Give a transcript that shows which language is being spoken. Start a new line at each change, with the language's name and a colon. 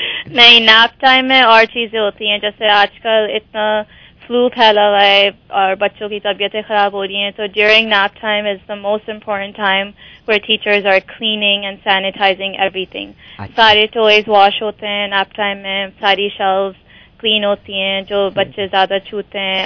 Urdu: نہیں, nap time میں اور چیزیں ہوتی ہیں, جیسے آجکل اتنا flu پھیلا ہوا ہے اور بچوں کی طبیعتیں خراب ہو رہی ہیں.
English: So during nap time is the most important time where teachers are cleaning and sanitizing everything.
Urdu: سارے toys wash ہوتے ہیں nap time میں, ساری shelves clean ہوتی ہیں, جو بچے زیادہ چھوتے ہیں.